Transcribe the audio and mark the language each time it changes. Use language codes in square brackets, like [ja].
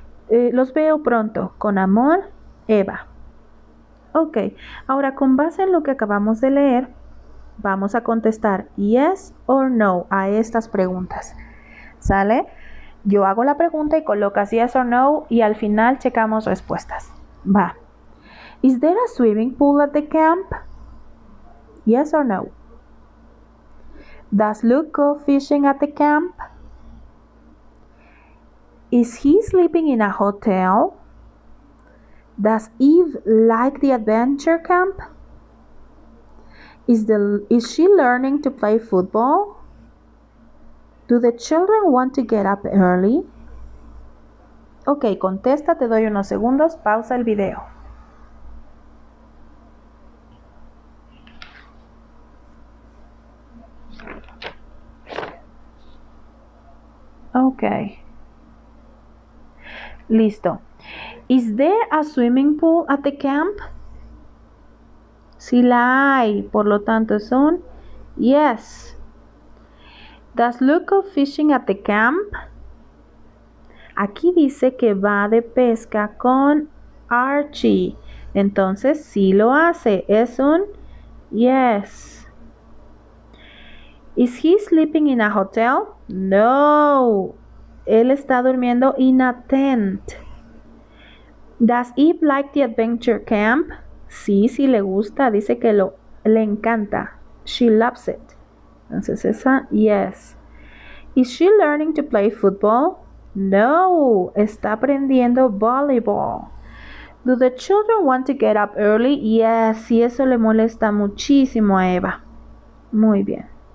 [es] Los veo pronto. Con amor, Eva. Ok, ahora con base en lo que acabamos de leer, vamos a contestar [en] yes or no [es] a estas preguntas. ¿Sale? Yo hago la pregunta y colocas [en] yes or no [es] y al final checamos respuestas. Va. [en] Is there a swimming pool at the camp? Yes or no. Does Luke go fishing at the camp? Is he sleeping in a hotel? Does Eve like the adventure camp? Is she learning to play football? Do the children want to get up early? [es] Ok, contesta, te doy unos segundos, pausa el video. Ok. Listo. [en] Is there a swimming pool at the camp? [es] Sí la hay, por lo tanto son yes. [en] Does Luke go fishing at the camp? [es] Aquí dice que va de pesca con Archie. Entonces sí lo hace, es un yes. [en] Is he sleeping in a hotel? [es] No. Él está durmiendo [en] in a tent. Does Eve like the adventure camp? [es] Sí, sí le gusta. Dice que le encanta. [en] She loves it. [es] Entonces esa, yes. [en] Is she learning to play football? No. [es] Está aprendiendo volleyball. [en] Do the children want to get up early? Yes. [es] Y eso le molesta muchísimo a Eva. Muy bien.